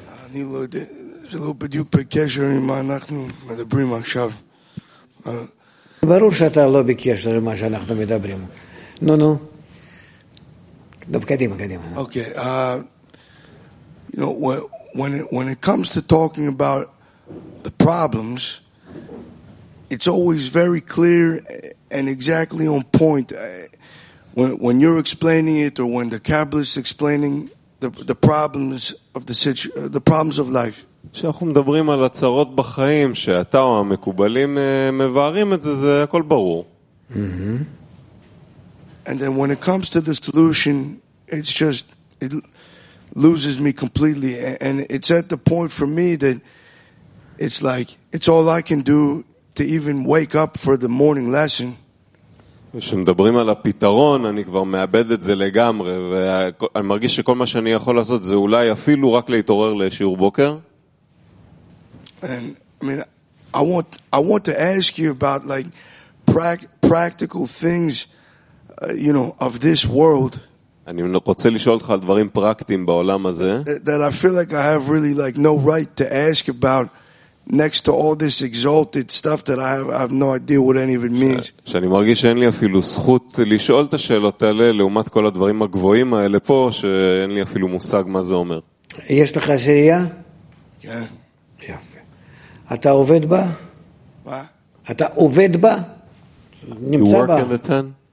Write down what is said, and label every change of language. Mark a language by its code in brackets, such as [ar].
[he] אני לא יודע, זה לא בדיוק בקשר עם מה אנחנו מדברים עכשיו. ברור שאתה לא בקשר עם מה שאנחנו מדברים. נו. קדימה. [en] Okay, you know, when it comes to talking about the problems, it's always very clear and exactly on point. When you're explaining it or when the Kabbalist explaining the problems of the situation, the problems of life. [he] כשאנחנו מדברים על הצרות בחיים שאתה או המקובלים מבארים את זה, זה הכל ברור. [en] And then when it comes to the solution, it loses me completely. And it's at the point for me that it's like, it's all I can do to even wake up for the morning lesson. [he] כשמדברים על הפתרון, אני כבר מאבד את זה לגמרי, ואני מרגיש שכל מה שאני יכול לעשות זה אולי אפילו רק להתעורר לשיעור בוקר. [en] And I mean, I want to ask you about like practical things, you know, of this world. [he] אני רוצה לשאול אותך על דברים פרקטיים בעולם הזה. [en] That I feel like I have really like no right to ask about next to all this exalted stuff that I have no idea what any of it means. [he] שאני מרגיש שאין לי אפילו זכות לשאול את השאלות האלה לעומת כל הדברים הגבוהים האלה פה שאין לי אפילו מושג מה זה אומר. יש לך שאלה? כן. יפה. אתה עובד בה? מה? אתה עובד בה? [en] You work in the ten?